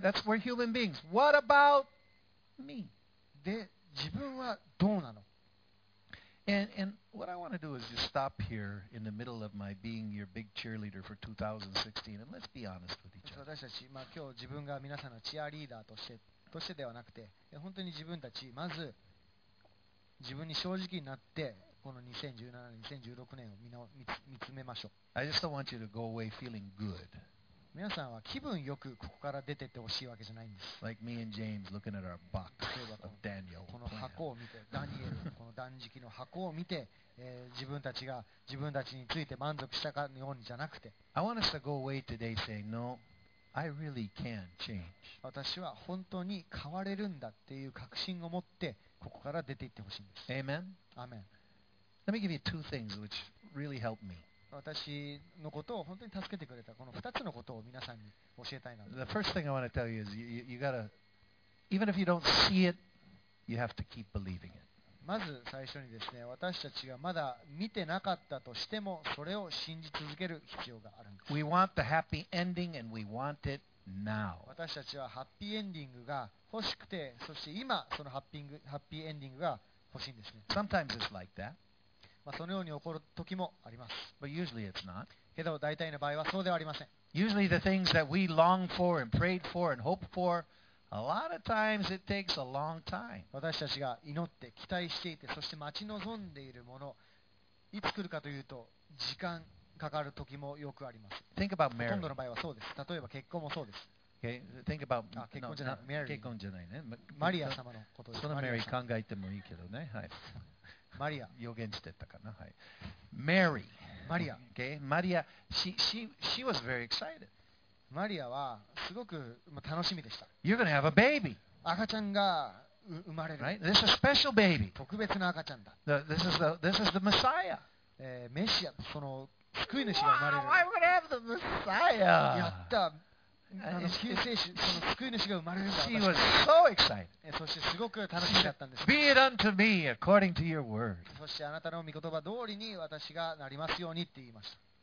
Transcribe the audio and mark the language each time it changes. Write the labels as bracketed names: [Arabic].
[English] That's we're human beings. What about me? [Japanese] で、自分はどうなの? [English] And what I want to do is just stop here in the middle of my being your big cheerleader for 2016 and let's be honest with each other. [Japanese] 私たち、まあ、今日自分が皆さんのチアリーダーとしてではなくて、本当に自分たち、まず自分に正直になって、この2017、2016年を見つめましょう。 [English] I just don't want you to go away feeling good. [Japanese] 皆さんは気分よくここから出てってほしいわけじゃないんです。 [English] Like me and James looking at our box of Daniel. [Japanese] この箱を見て、ダニエル、この断食の箱を見て、自分たちについて満足したかのようにじゃなくて。 [English] I want us to go away today saying, no, I really can change. [Japanese] 私は本当に変われるんだっていう確信を持って、ここから出ていってほしいんです。 [English] Amen? Amen. Let me give you two things which really helped me. [Japanese] 私のことを本当に助けてくれたこの2つのことを皆さんに教えたいなと。 [English] The first thing I want to tell you is you gotta, even if you don't see it, you have to keep believing it. [Japanese] まず最初にですね、私たちがまだ見てなかったとしても、それを信じ続ける必要があるんです。 [English] We want the happy ending and we want it now. [Japanese] 私たちはハッピーエンディングが欲しくて、そして今そのハッピーエンディングが欲しいんですね。 [English] Sometimes it's like that. [Japanese] まあ、そのように起こる時もあります。 [English] But usually it's not. [Japanese] けど大体の場合はそうではありません。 [English] Usually the things that we long for and prayed for and hoped for, a lot of times it takes a long time. [Japanese] 私たちが祈って期待していて、そして待ち望んでいるもの、いつ来るかというと時間かかる時もよくあります。 [English] Think about Mary. [Japanese] ほとんどの場合はそうです。例えば結婚もそうです。 [English] Okay, think about Mary. [Japanese] 結婚じゃないね。マリア様のことです。そのマリア考えてもいいけどね。はい。マリア予言してたかな、はい、Mary. マリア、 [English] okay. マリア she was very excited. [Japanese] マリアはすごく楽しみでした。 [English] You're gonna have a baby. [Japanese] 赤ちゃんが生まれる、 [English] right? This is a special baby. [Japanese] 特別な赤ちゃんだ。 [English] This is the Messiah. [Japanese] メシア、その救い主が生まれる。 [English] Wow, I'm gonna have the Messiah. [Japanese] やった救世主、その救い主が生まれるんだ。 [English] She was so excited. [Japanese] そしてすごく楽しみだったんです。 [English] Be it unto me according to your word. [Japanese] そしてあなたの御言葉通りに私がなりますようにって言いました。